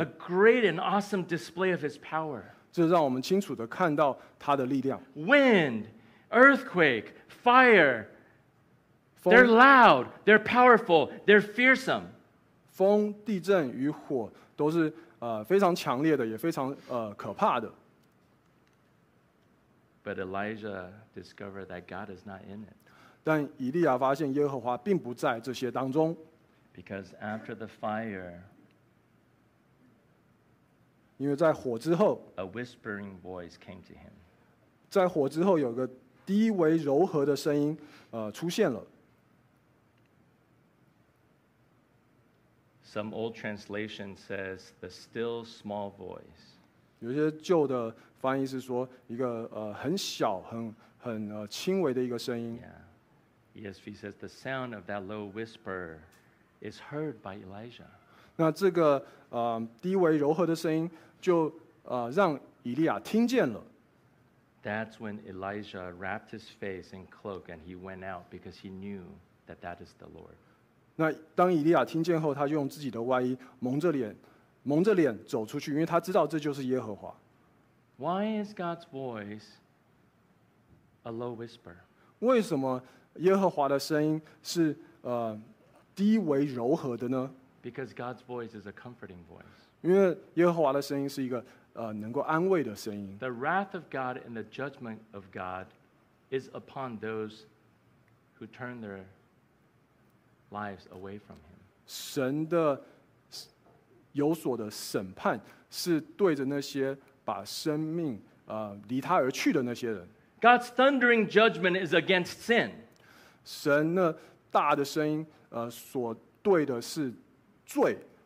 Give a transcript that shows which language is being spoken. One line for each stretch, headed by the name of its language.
English: A great and awesome display of His power.
Chinese: 这让我们清楚地看到他的力量。
English: Wind. Earthquake, fire, they're loud, they're powerful, they're fearsome.
Chinese: 风、地震与火都是非常强烈的，也非常可怕的。
English: But Elijah discovered that God is not in it.
Chinese: 但以利亚发现耶和华并不在这些当中。
English: Because after the fire,
Chinese: 因为在火之后
English: a whispering voice came to him.
Chinese: 在火之后有个低微柔和的声音，出现了。
English: Some old translation says the still small voice.
Chinese: 有些旧的翻译是说一个很小、很轻微的一个声音。
English: Yeah. ESV says the sound of that low whisper is heard by Elijah.
Chinese: 那这个低微柔和的声音就让以利亚听见了。
English: That's when Elijah wrapped his face in cloak and he went out because he knew that that is the Lord.
Chinese: 那当以利亚听见后，他就用自己的外衣蒙着脸走出去，因为他知道这就是耶和华。
English: Why is God's voice a low whisper?
Chinese: 为什么耶和华的声音是低微柔和的呢？
English: Because God's voice is a comforting voice.
Chinese: 因为耶和华的声音是一个能够安慰的声音。
English: The wrath of God and the judgment of God is upon those who turn their lives away from Him.
Chinese: 神的有所的审判是对着那些把生命离他而去的那些人。
English: God's thundering judgment is against sin.
Chinese: 神那大的声音所对的是罪。